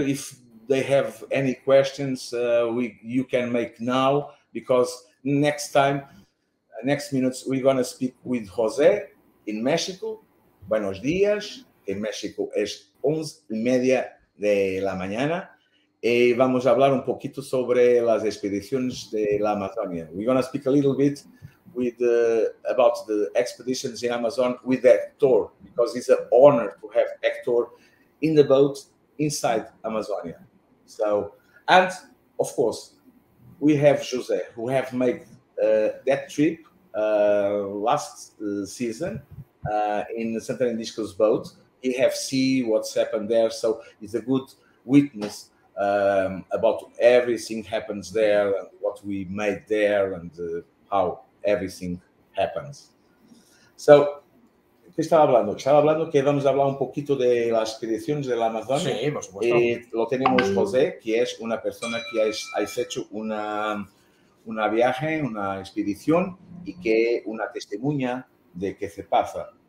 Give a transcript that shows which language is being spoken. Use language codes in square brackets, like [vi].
[en] If they have any questions, you can make now, because next minutes, we're gonna speak with José in Mexico. [es] Buenos días, en México es 11:30 de la mañana. Vamos a hablar un poquito sobre las expediciones de la Amazonia. [en] We're going to speak a little bit about the expeditions in Amazon with Hector, because it's an honor to have Hector in the boat inside Amazonia. So, and of course, we have José, who have made that trip last season in the Santa Indisco's boat. He have seen what's happened there, so he's a good witness about everything happens there, and what we made there, and how everything happens. So, [es] ¿qué estaba hablando? Estaba hablando que vamos a hablar un poquito de las expediciones del Amazon. Sí, por supuesto. Lo tenemos José, que es una persona que ha hecho una viaje, una expedición, y que es una testimonia de qué se pasa.